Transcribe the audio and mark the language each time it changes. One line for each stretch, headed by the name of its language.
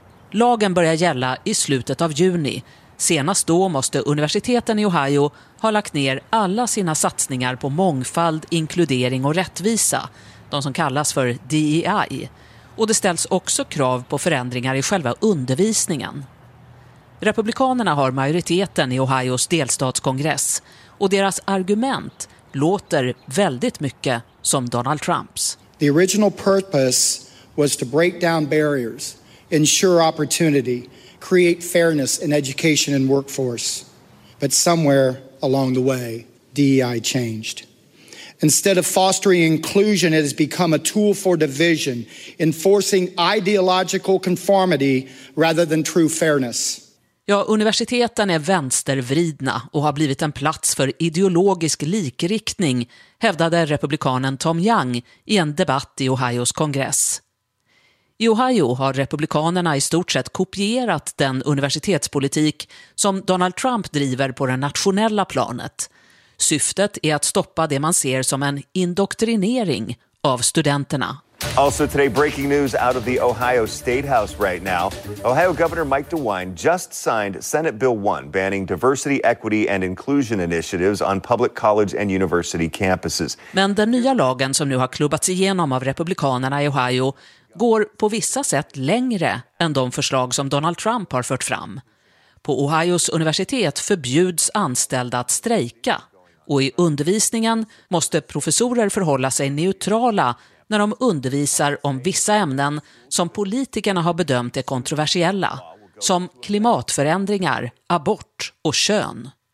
Swedish: Lagen börjar gälla i slutet av juni. Senast då måste universiteten i Ohio ha lagt ner alla sina satsningar på mångfald, inkludering och rättvisa, de som kallas för DEI. Och det ställs också krav på förändringar i själva undervisningen. Republikanerna har majoriteten i Ohios delstatskongress och deras argument låter väldigt mycket som Donald Trumps.
English: The original purpose was to break down barriers, ensure opportunity, create fairness in education and workforce. But somewhere along the way, DEI changed. Instead of fostering inclusion, it has become a tool for division, enforcing ideological conformity rather than true fairness.
Swedish: Ja, universiteten är vänstervridna och har blivit en plats för ideologisk likriktning, hävdade republikanen Tom Young i en debatt i Ohios kongress. I Ohio har republikanerna i stort sett kopierat den universitetspolitik som Donald Trump driver på det nationella planet. Syftet är att stoppa det man ser som en indoktrinering av studenterna.
English: Also today, breaking news out of the Ohio State House right now. Ohio Governor Mike DeWine just signed Senate Bill 1 banning diversity, equity and inclusion initiatives on public college and university campuses.
Swedish: Men den nya lagen som nu har klubbats igenom av republikanerna i Ohio går på vissa sätt längre än de förslag som Donald Trump har fört fram. På Ohios universitet förbjuds anställda att strejka. Och i undervisningen måste professorer förhålla sig neutrala när de undervisar om vissa ämnen som politikerna har bedömt är kontroversiella, som klimatförändringar, abort och kön.